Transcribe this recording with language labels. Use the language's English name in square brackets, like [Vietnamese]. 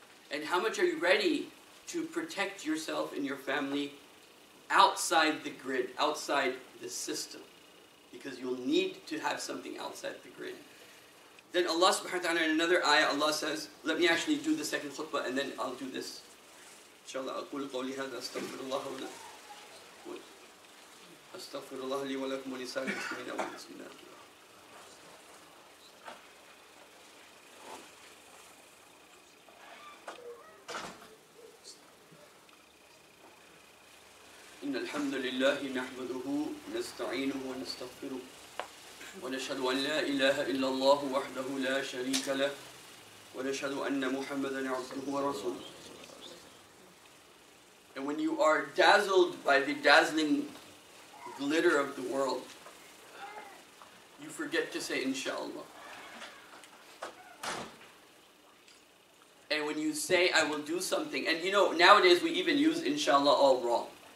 [English] And how much are you ready to protect yourself and your family outside the grid, outside the system? Because you'll need to have something outside the grid. Then Allah subhanahu wa ta'ala, in another ayah, Allah says, let me actually do the second khutbah and then I'll do this. [Arabic] InshaAllah, أَقُولُ قَوْلِ هَذَا أَسْتَغْفِرُ اللَّهُ لَكُمْ أَسْتَغْفِرُ اللَّهُ لِي وَلَكُمْ وَلِسَانِ الْمُسْلِمِينَ وَلِسْمِنَاكُمْ. إن الحمد لله نحمده نستعينه ونستغفره ونشهد أن لا إله إلا الله وحده لا شريك له ونشهد أن محمدا عبده ورسوله. [English] And when you are dazzled by the dazzling glitter of the world, you forget to say inshallah. And when you say I will do something, and you know nowadays we even use inshallah all wrong.